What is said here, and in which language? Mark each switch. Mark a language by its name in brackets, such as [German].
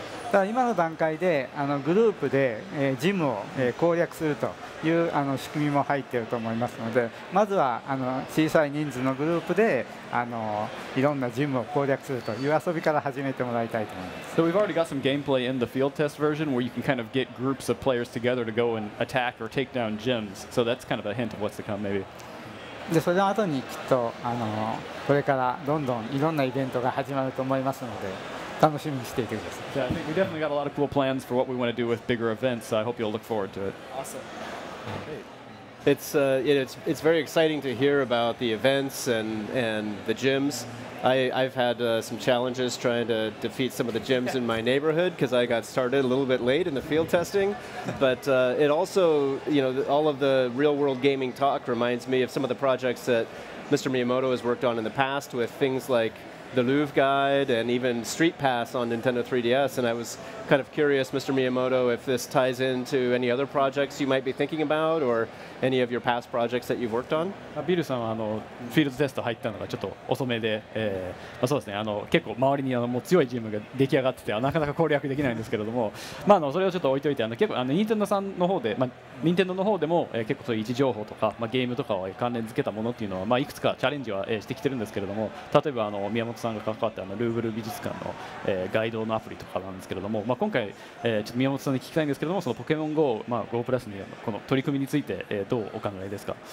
[Japanese] ただ今の段階でグループでジムを攻略するという仕組みも入っていると思いますので、まずは小さい人数のグループでいろんなジムを攻略するという遊びから始めてもらいたいと思います。 [English] So we've already got some gameplay in the field test version where you can kind of get groups of players together to go and attack or take down gyms. So that's kind of a hint of what's to come maybe. [Japanese] でそれの後にきっとこれからどんどんいろんなイベントが始まると思いますので、楽しみにしていてください。 [English] Yeah, I think we definitely got a lot of cool plans for what we want to do with bigger events, so I hope you'll look forward to it. Awesome. It's very exciting to hear about the events and the gyms. I've had some challenges trying to defeat some of the gyms in my neighborhood because I got started a little bit late in the field testing. But it also, you know, all of the real world gaming talk reminds me of some of the projects that Mr. Miyamoto has worked on in the past with things like the Louvre Guide and even Street Pass on Nintendo 3DS. And I was kind of curious, Mr. Miyamoto, if this ties into any other projects you might be thinking about or any of your past projects that you've worked on? [Japanese] ビルさんはフィールドテスト入ったのがちょっと遅めで、まあ、そうですね、結構周りにもう強いジムが出来上がっててなかなか攻略できないんですけれども、まあ、それをちょっと置いておいて、結構任天堂さんの方で、まあ、任天堂の方でも、結構そういう位置情報とか、まあ、ゲームとかを関連付けたものっていうのは、まあ、いくつかチャレンジはしてきてるんですけれども、例えば宮本さんが関わってルーブル美術館の、ガイドのアプリとかなんですけれども、まあ、今回、ちょっと宮本さんに聞きたいんですけれども、そのポケモン GO、まあ、GO プラスにこの取り組みについて、どうお考えですか？